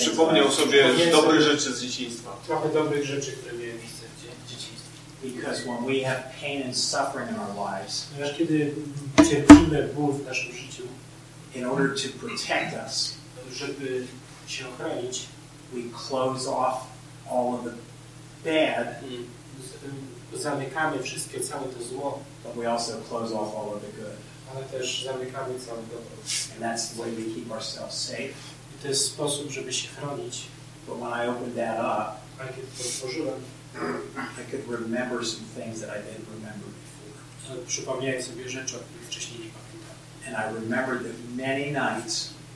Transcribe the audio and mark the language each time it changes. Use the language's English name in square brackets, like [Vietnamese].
[Polish] Przypomniał sobie dobre rzeczy z dzieciństwa. Trochę dobrych rzeczy, które miałem miejsce w dzieciństwie. [English] Because when we have pain and suffering in our lives, [Polish] ponieważ kiedy cierpimy ból w naszym życiu, [English] in order to protect us, [Polish] żeby się ochronić, [English] we close off all of the bad, [Polish] zamykamy wszystkie, całe to zło, [English] but we also close off all of the good. [Polish] Ale też zamykamy całe dobro. [English] And that's the way we keep ourselves safe. [Polish] I to jest sposób, żeby się chronić. [English] But when I opened that up, [Polish] ale kiedy to otworzyłem, [English] I could remember some things that I didn't remember before. [Polish] Przypomniałem sobie rzeczy, o których wcześniej nie pamiętam. [English] And I remembered that many nights,